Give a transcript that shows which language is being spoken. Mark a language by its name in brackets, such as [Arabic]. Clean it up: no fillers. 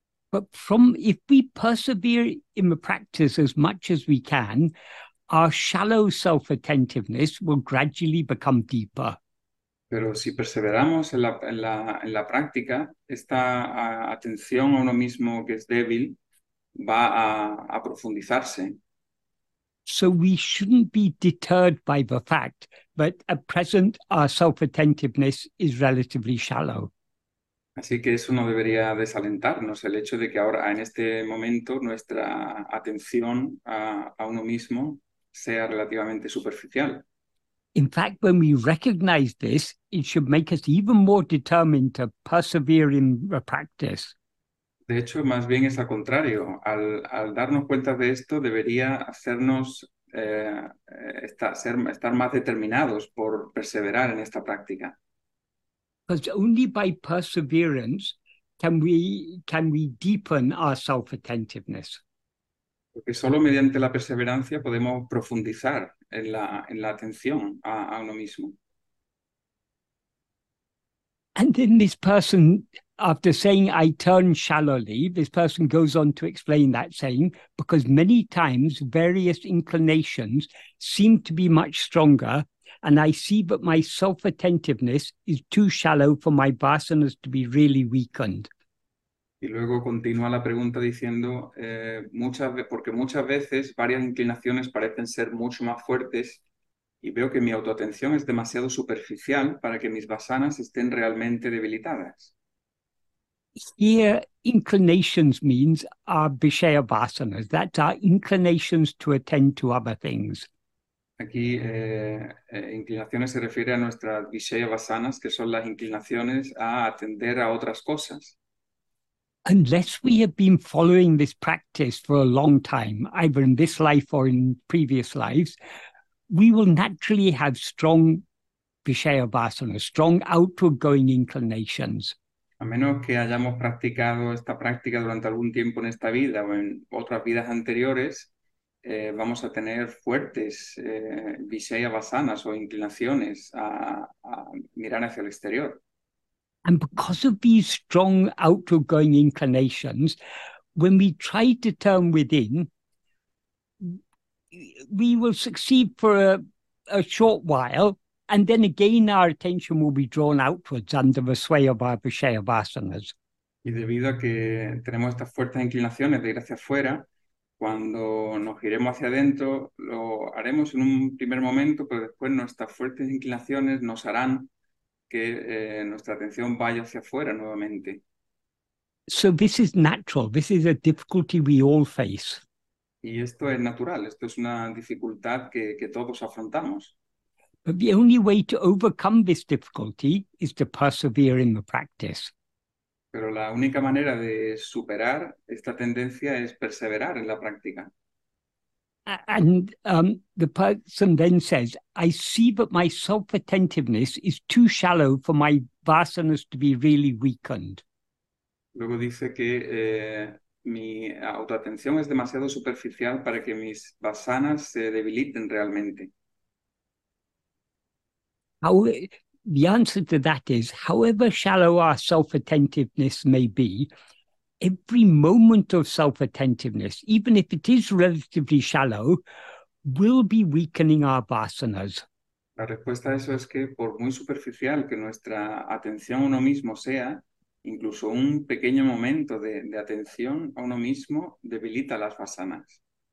[English] But from if we persevere in the practice as much as we can, our shallow self-attentiveness will gradually become deeper. [Spanish] Pero si perseveramos en la práctica, esta atención a uno mismo que es débil va a profundizarse. [English] So we shouldn't be deterred by the fact that at present our self-attentiveness is relatively shallow. [Spanish] Así que eso no debería desalentarnos, el hecho de que ahora, en este momento, nuestra atención a uno mismo sea relativamente superficial. [English] In fact, when we recognize this, it should make us even more determined to persevere in the practice. [Spanish] De hecho, más bien es al contrario. Al darnos cuenta de esto, debería hacernos estar más determinados por perseverar en esta práctica. [English] Because only by perseverance can we deepen our self-attentiveness. [Spanish] Porque solo mediante la perseverancia podemos profundizar en la atención a uno mismo. [English] And then this person, after saying, I turn shallowly, this person goes on to explain that saying, because many times various inclinations seem to be much stronger, and I see that my self-attentiveness is too shallow for my vasanas to be really weakened. [Spanish] Y luego continúa la pregunta diciendo, muchas veces varias inclinaciones parecen ser mucho más fuertes y veo que mi autoatención es demasiado superficial para que mis vasanas estén realmente debilitadas. [English] Here, inclinations means our vishaya vasanas, that's our inclinations to attend to other things. [Spanish] Aquí, inclinaciones se refiere a nuestras vishaya vasanas, que son las inclinaciones a atender a otras cosas. [English] Unless we have been following this practice for a long time, either in this life or in previous lives, we will naturally have strong vishaya vasana, strong outward going inclinations. [Spanish] A menos que hayamos practicado esta práctica durante algún tiempo en esta vida o en otras vidas anteriores, vamos a tener fuertes vishaya vasanas o inclinaciones a mirar hacia el exterior. [English] And because of these strong outward-going inclinations, when we try to turn within, we will succeed for a short while, And then again, our attention will be drawn outwards under the sway of our vishaya-vasanas. [Spanish] Y debido a que tenemos estas fuertes inclinaciones de ir hacia afuera, cuando nos giremos hacia adentro, lo haremos en un primer momento, pero después nuestras fuertes inclinaciones nos harán que nuestra atención vaya hacia afuera nuevamente. [English] So this is natural. This is a difficulty we all face. [Spanish] Y esto es natural. Esto es una dificultad que todos afrontamos. [English] But the only way to overcome this difficulty is to persevere in the practice. [Spanish] Pero la única manera de superar esta tendencia es perseverar en la práctica. [English] And the person then says, I see that my self-attentiveness is too shallow for my vasanas to be really weakened. [Spanish] Luego dice que mi autoatención es demasiado superficial para que mis vasanas se debiliten realmente. [English] The answer to that is, however shallow our self-attentiveness may be, every moment of self-attentiveness, even if it is relatively shallow, will be weakening our vasanas. [Spanish] La respuesta a eso es que por muy superficial que nuestra atención a uno mismo sea, incluso un pequeño momento de atención a uno mismo debilita las vasanas.